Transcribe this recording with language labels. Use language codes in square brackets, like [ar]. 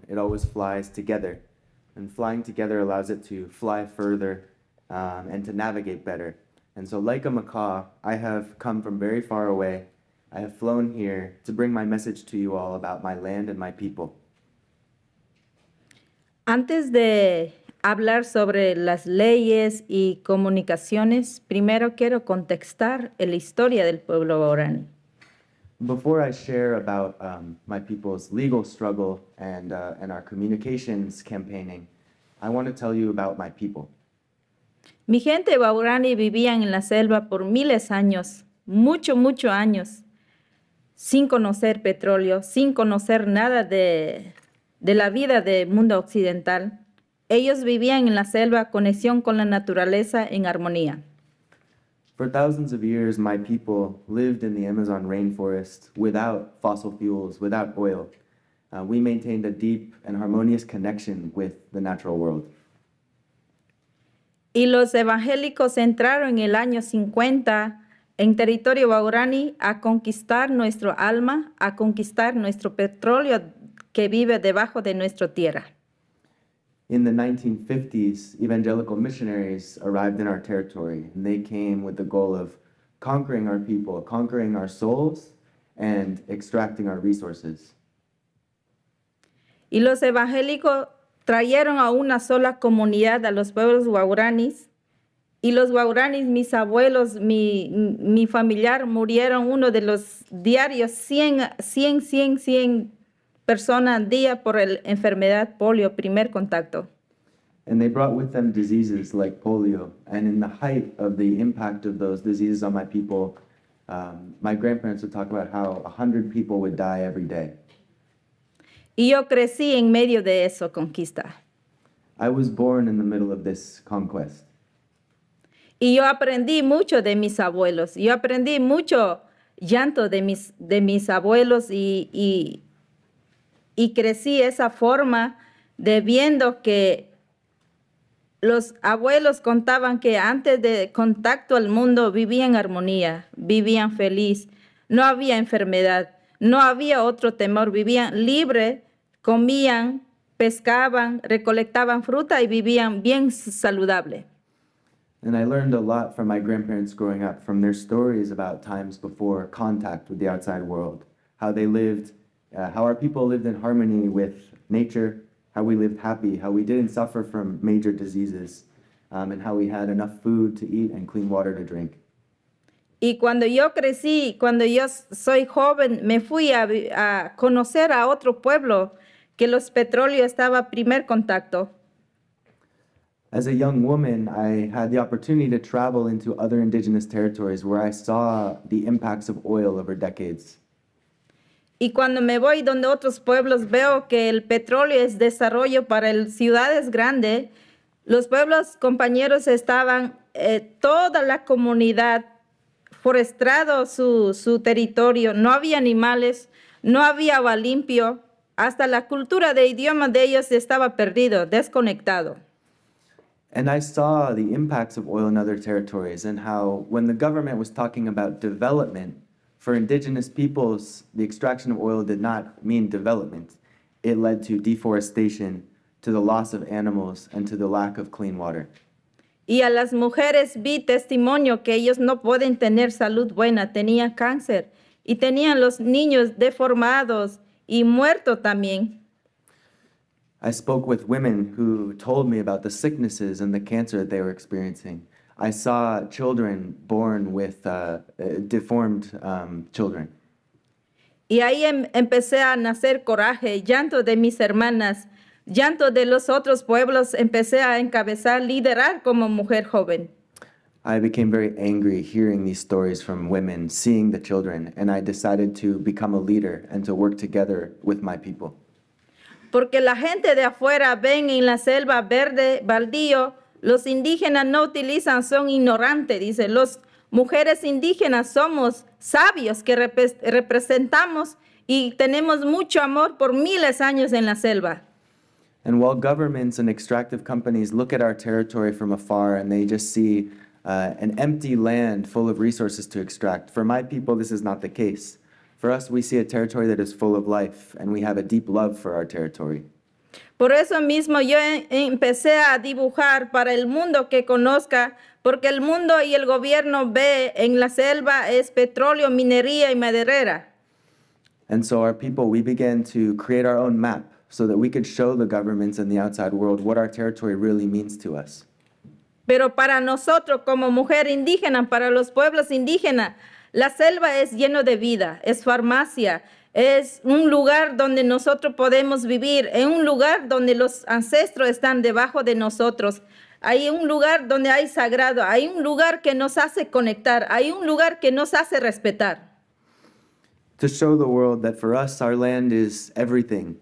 [en] It always flies together. And flying together allows it to fly further and to navigate better. And so like a macaw, I have come from very far away. I have flown here to bring my message to you all about my land and my people. [es] Antes de hablar sobre las leyes y comunicaciones, primero quiero contextar la historia del pueblo Waorani. [en] Before I share about my people's legal struggle and our communications campaigning, I want to tell you about my people. [es] Mi gente Waorani vivían en la selva por miles de años, mucho años, sin conocer petróleo, sin conocer nada de la vida del mundo occidental. Ellos vivían en la selva, conexión con la naturaleza en armonía. [en] For thousands of years, my people lived in the Amazon rainforest without fossil fuels, without oil. We maintained a deep and harmonious connection with the natural world. [es] Y los evangélicos entraron en el año 50 en territorio Waorani a conquistar nuestro alma, a conquistar nuestro petróleo que vive debajo de nuestra tierra. [en] In the 1950s, evangelical missionaries arrived in our territory, and they came with the goal of conquering our people, conquering our souls, and extracting our resources. [es] Y los evangélicos trajeron a una sola comunidad a los pueblos Waoranis, y los Waoranis, mis abuelos, mi familiar, murieron uno de los diarios 100 persona día por el enfermedad polio, primer contacto. [en] And they brought with them diseases like polio. And in the height of the impact of those diseases on my people, my grandparents would talk about how 100 people would die every day. [es] Y yo crecí en medio de eso conquista. [en] I was born in the middle of this conquest. [es] Y yo aprendí mucho de mis abuelos. Yo aprendí mucho llanto de mis abuelos y crecí esa forma de viendo que los abuelos contaban que antes de contacto al mundo vivían en armonía, vivían feliz, no había enfermedad, no había otro temor, vivían libre, comían, pescaban, recolectaban fruta y vivían bien saludable. [en] And I learned a lot from my grandparents growing up, from their stories about times before contact with the outside world, how they lived, how our people lived in harmony with nature, how we lived happy, how we didn't suffer from major diseases, and how we had enough food to eat and clean water to drink. [es] Y cuando yo crecí, cuando yo soy joven, me fui a conocer a otro pueblo que los petróleo estaba primer contacto. [en] As a young woman, I had the opportunity to travel into other indigenous territories where I saw the impacts of oil over decades. [es] Y cuando me voy donde otros pueblos veo que el petróleo es desarrollo para el ciudades grande, los pueblos compañeros estaban toda la comunidad forestrado su territorio, no había animales, no había agua limpio, hasta la cultura de idioma de ellos estaba perdido, desconectado. [en] And I saw the impacts of oil in other territories and how when the government was talking about development for indigenous peoples, the extraction of oil did not mean development. It led to deforestation, to the loss of animals, and to the lack of clean water. [es] Y a las mujeres vi testimonio que ellos no pueden tener salud buena, tenían cáncer, y tenían los niños deformados y muertos también. [en] I spoke with women who told me about the sicknesses and the cancer that they were experiencing. I saw children born with deformed children. [es] Y ahí empecé a nacer coraje, llanto de mis hermanas, llanto de los otros pueblos, empecé a encabezar, liderar como mujer joven. [en] I became very angry hearing these stories from women, seeing the children, and I decided to become a leader and to work together with my people. [es] Porque la gente de afuera ven en la selva verde, baldío, los indígenas no utilizan, son ignorantes, dice. Los mujeres indígenas somos sabios que representamos y tenemos mucho amor por miles años en la selva. [en] And while governments and extractive companies look at our territory from afar and they just see an empty land full of resources to extract, for my people, this is not the case. For us, we see a territory that is full of life, and we have a deep love for our territory. [es] Por eso mismo yo empecé a dibujar para el mundo que conozca, porque el mundo y el gobierno ve en la selva es petróleo, minería y maderera. [en] And so our people, we began to create our own map so that we could show the governments and the outside world what our territory really means to us. [es] Pero para nosotros como mujer indígena, para los pueblos indígenas, la selva es lleno de vida, es farmacia, es un lugar donde nosotros podemos vivir, es un lugar donde los ancestros están debajo de nosotros. Hay un lugar donde hay sagrado, hay un lugar que nos hace conectar, hay un lugar que nos hace respetar. [en] To show the world that for us our land is everything.